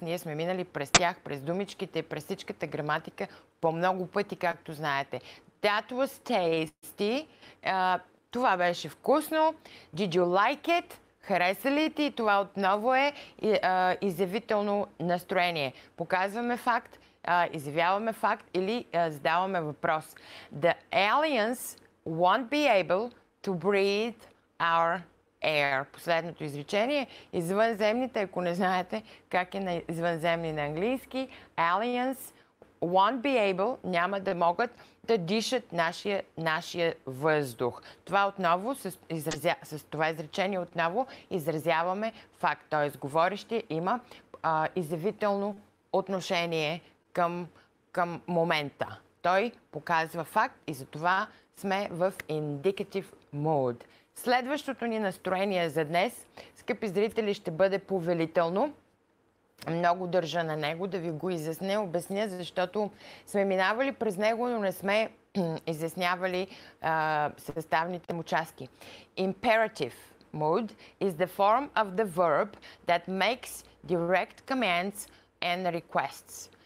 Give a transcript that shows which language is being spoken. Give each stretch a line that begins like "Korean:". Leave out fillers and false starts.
Bulgarian: Ние сме минали през тях, през думичките, през всичката граматика по много пъти, както знаете.
English: That was tasty.
Bulgarian: Това беше вкусно.
English: Did you like it?
Bulgarian: Хареса ли ти? Това отново е изявително настроение. Показваме факт, изявяваме факт или задаваме въпрос.
English: The aliens won't be able to breathe our air.
Bulgarian: Последното изречение. Извънземните, ако не знаете как е на извънземни на английски,
English: aliens won't be able,
Bulgarian: няма да могат да дишат нашия въздух. Това отново, с това изречение отново изразяваме факт. Т.е. говорещия има изявително отношение към към момента. Той показва факт и затова сме в indicative mood. Следващото ни настроение за днес, скъпи зрители, ще бъде повелително. Много държа на него да ви го изясня, обясня, защото сме минавали през него, но не сме изяснявали съставните му части.
English: Imperative mood is the form of the verb that makes direct commands and requests.